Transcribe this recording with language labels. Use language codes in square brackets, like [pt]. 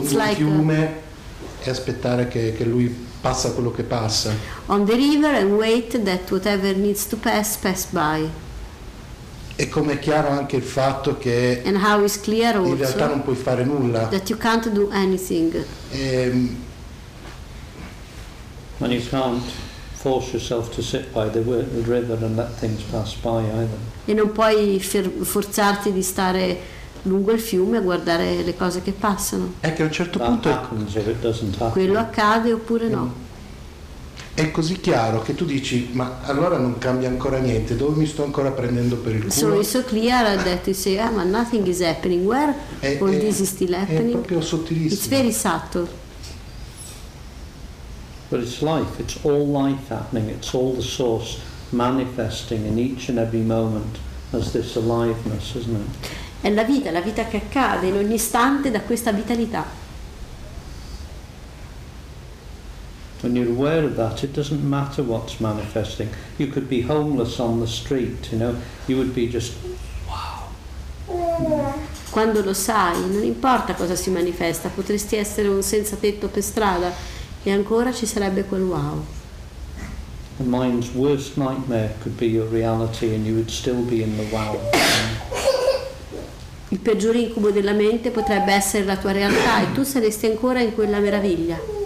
[it] un fiume e aspettare che lui passa quello che passa. [en] On the river and wait that whatever needs to pass by. [it] E come è chiaro anche il fatto che [en] and how is clear [it] in realtà non puoi fare nulla. [en] That you can't do anything. When you can't force yourself to sit by the river and let things pass by either. [it] E non puoi forzarti di stare lungo il fiume a guardare le cose che passano. È che a un certo [en] that [it] punto quello accade oppure no. È così chiaro che tu dici, ma allora non cambia ancora niente, dove mi sto ancora prendendo per il culo? [en] So it's so clear that you say, ah, but nothing is happening, where all this is still happening? [it] È proprio sottilissimo. [en] It's very subtle. But it's life, it's all life happening, it's all the source manifesting in each and every moment as this aliveness, isn't it? [it] È la vita che accade in ogni istante da questa vitalità. [en] When you're aware of that, it doesn't matter what's manifesting. You could be homeless on the street, you know. You would be just, wow. [it] Quando lo sai, non importa cosa si manifesta, potresti essere un senza tetto per strada e ancora ci sarebbe quel wow. [en] The mind's worst nightmare could be your reality and you would still be in the wow. [it] Il peggior incubo della mente potrebbe essere la tua realtà e tu saresti ancora in quella meraviglia.